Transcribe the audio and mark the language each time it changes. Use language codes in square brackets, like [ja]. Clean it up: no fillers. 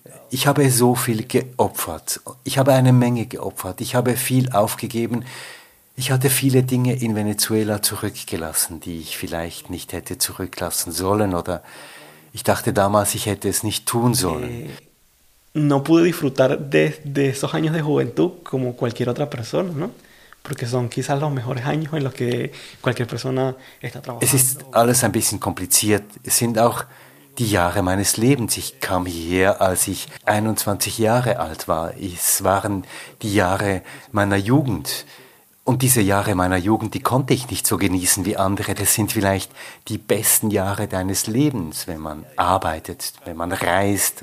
[de] Ich habe so viel geopfert. Ich habe eine Menge geopfert. Ich habe viel aufgegeben. Ich hatte viele Dinge in Venezuela zurückgelassen, die ich vielleicht nicht hätte zurücklassen sollen. Oder ich dachte damals, ich hätte es nicht tun sollen. [es] No pude disfrutar de esos años de juventud como cualquier otra persona, ¿no? Porque son quizás los mejores años en los que cualquier persona está trabajando. [de] Es ist alles ein bisschen kompliziert. Es sind auch die Jahre meines Lebens. Ich kam hierher, als ich 21 Jahre alt war. Es waren die Jahre meiner Jugend. Und diese Jahre meiner Jugend, die konnte ich nicht so genießen wie andere. Das sind vielleicht die besten Jahre deines Lebens, wenn man arbeitet, wenn man reist.